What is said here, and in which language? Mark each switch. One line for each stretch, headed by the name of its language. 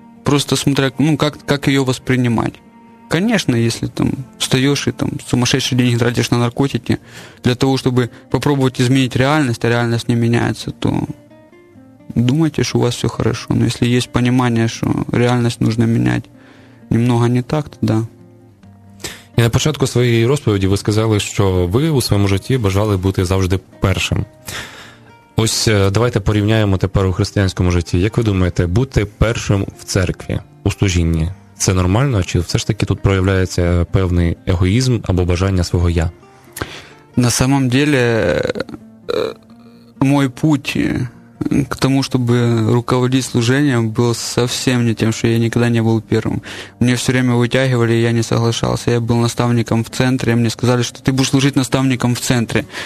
Russian: Просто смотря, ну, как ее воспринимать. Конечно, если там встаешь и там сумасшедшие деньги тратишь на наркотики, для того, чтобы попробовать изменить реальность, а реальность не меняется, то думайте, что у вас все хорошо. Но если есть понимание, что реальность нужно менять немного не так, то да.
Ukrainian: І на початку своєї розповіді ви сказали, що ви у своєму житті бажали бути завжди першим. Ось давайте порівняємо тепер у християнському житті. Як ви думаєте, бути першим в церкві, у служінні, це нормально? Чи все ж таки тут проявляється певний егоїзм або бажання свого «я»?
Russian: На самом деле, мой путь к тому, чтобы руководить служением, был совсем не тем, что я никогда не был первым. Мне все время вытягивали, я не соглашался. Я был наставником в центре, мне сказали, что ты будешь служить наставником в центре.